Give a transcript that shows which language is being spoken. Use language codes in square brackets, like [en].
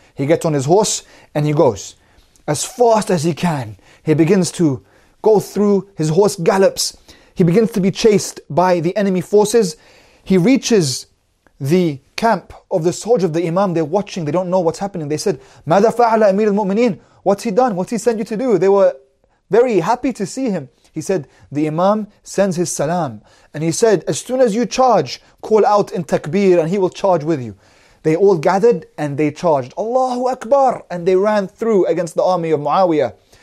[en] He gets on his horse and he goes as fast as he can. He begins to go through, his horse gallops. He begins to be chased by the enemy forces. He reaches the camp of the soldier of the Imam. They're watching. They don't know what's happening. They said, [ar] ماذا فعل أمير المؤمنين? [en] What's he done? What's he sent you to do? They were very happy to see him. He said, the Imam sends his salam. And he said, as soon as you charge, call out in takbir and he will charge with you. They all gathered and they charged. Allahu Akbar! And they ran through against the army of Muawiyah.